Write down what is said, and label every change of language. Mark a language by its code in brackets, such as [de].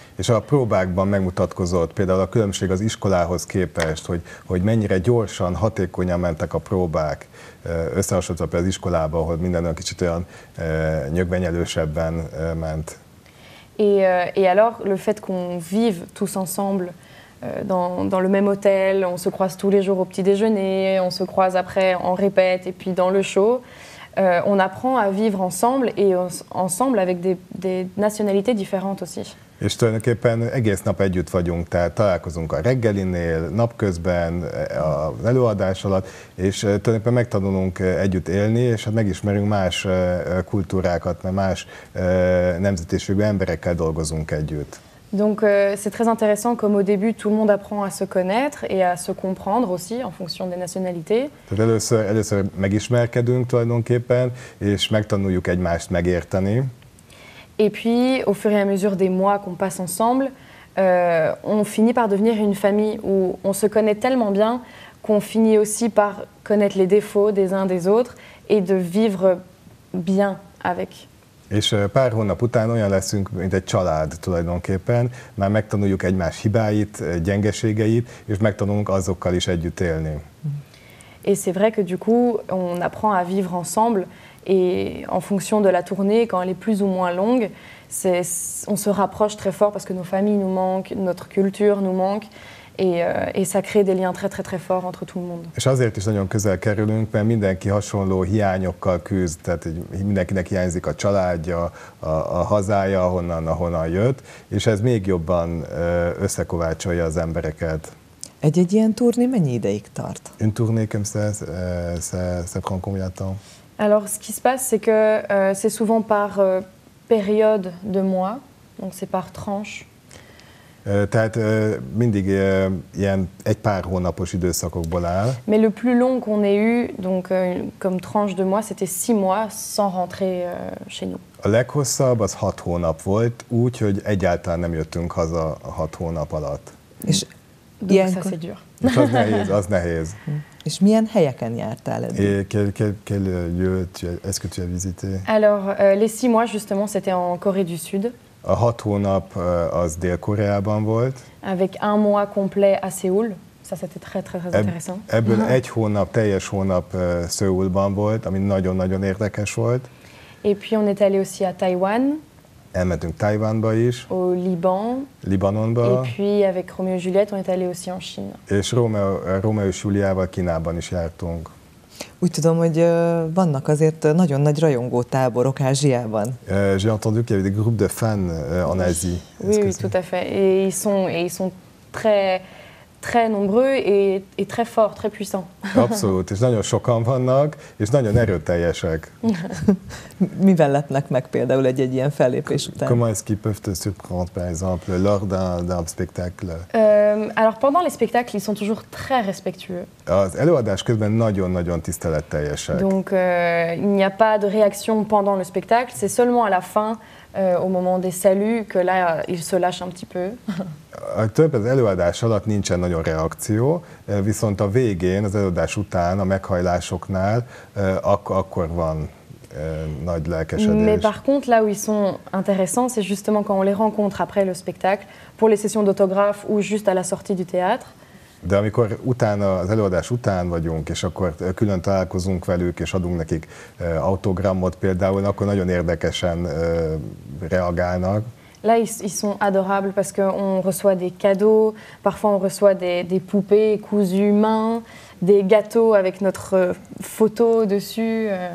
[hu] És a próbákban megmutatkozott például a különbség az iskolához képest, hogy mennyire gyorsan, hatékonyan mentek a próbák, összehasonlítva például az iskolába, ahol minden olyan kicsit olyan nyögvenyelősebben ment. [fr] Et alors, le fait qu'on vive tous ensemble dans le même hôtel, on se croise tous les jours au petit déjeuner, on se croise après en répète et puis dans le show, on apprend à vivre ensemble et ensemble avec des nationalités différentes aussi. [hu] És tulajdonképpen egész nap együtt vagyunk, tehát találkozunk a reggelinél, napközben, az előadás alatt, és tulajdonképpen megtanulunk együtt élni, és hát megismerünk más kultúrákat, mert más nemzetiségű emberekkel dolgozunk együtt. [fr] Donc c'est très intéressant, comme au début tout le monde apprend à se connaître et à se comprendre aussi en fonction des nationalités. [hu] Tehát először megismerkedünk tulajdonképpen, és megtanuljuk egymást megérteni. [fr] Et puis, au fur et à mesure des mois qu'on passe ensemble, on finit par devenir une famille où on se connaît tellement bien qu'on finit aussi par connaître les défauts des uns des autres et de vivre bien avec. [hu] És pár hónap után olyan leszünk, mint egy család tulajdonképpen. Már megtanuljuk egymás hibáit, gyengeségeit, és megtanulunk azokkal is együtt élni. [fr] Et c'est vrai que du coup, on apprend à vivre ensemble. Et en fonction de la tournée, quand elle est plus ou moins longue, on se rapproche très fort parce que nos familles nous manquent, notre culture nous manque, et ça crée des liens très très très forts entre tout le monde. [hu] És azért is nagyon közel kerülünk, mert mindenki hasonló hiányokkal küzd, tehát mindenkinek hiányzik a családja, a hazája, ahonnan jött, és ez még jobban összekovácsolja az embereket. Egy-egy ilyen turné mennyi ideig tart? [fr] Une tournée comme ça, ça prend combien de temps? Alors, ce qui se passe, c'est que c'est souvent par période de mois, donc c'est par tranche. [hu] Tehát mindig ilyen egy pár hónapos időszakokból áll. [fr] Mais le plus long qu'on ait eu, donc comme tranche de mois, c'était 6 mois sans rentrer chez nous. [hu] A leghosszabb az 6 hónap volt, úgy, hogy egyáltalán nem jöttünk haza a 6 hónap alatt. [fr] És donc, ça, c'est dur. [hu] És az nehéz. És milyen helyeken jártál eddig? [fr] Quel lieu est-ce que tu as visité? Alors, les 6 mois justement, c'était en Corée du Sud. [hu] A 6 hónap az Dél-Koreában volt. [fr] Avec un mois complet à Séoul. Ça c'était très très très intéressant. [hu] Ebből egy hónap, teljes hónap Séoulban volt, ami nagyon-nagyon érdekes volt. [fr] Et puis on est allé aussi à Taïwan. [hu] Elmentünk Taiwanba is. [fr] Au Liban. [hu] Libanonba. [fr] Et puis avec Roméo et Juliette, on est allé aussi en Chine. [hu] És Roméo és Juliával Kínában is jártunk. Úgy tudom, hogy vannak azért nagyon nagy rajongó táborok Ázsiában. [fr] J'ai entendu qu'il y avait des groupes de fans en Asie. Oui, tout à fait. Et ils sont très très nombreux et très forts, très puissants. [hu] Abszolút, és nagyon sokan vannak, és nagyon erőteljesek. Mivel lepnek meg például egy-egy ilyen fellépés után? [fr] Comment est-ce qu'ils peuvent te surprendre, par exemple, lors d'un spectacle? Alors, pendant les spectacles, ils sont toujours très respectueux. [hu] Az előadás közben nagyon-nagyon tiszteletteljesek. [fr] Donc, il n'y a pas de réaction pendant le spectacle, c'est seulement à la fin, au moment des saluts, que là, ils se lâchent un petit peu. [hu] A több az előadás alatt nincsen nagyon reakció, viszont a végén, az előadás után, a meghajlásoknál akkor van nagy lelkesedés. [fr] Mais par contre, là où ils sont intéressants, c'est justement quand on les rencontre après le spectacle, pour les sessions d'autographe ou juste à la sortie du théâtre. [hu] De amikor utána, az előadás után vagyunk, és akkor külön találkozunk velük, és adunk nekik autogramot például, akkor nagyon érdekesen reagálnak. [fr] Là, ils sont adorables parce qu'on reçoit des cadeaux, parfois on reçoit des poupées cousues main, des gâteaux avec notre photo dessus.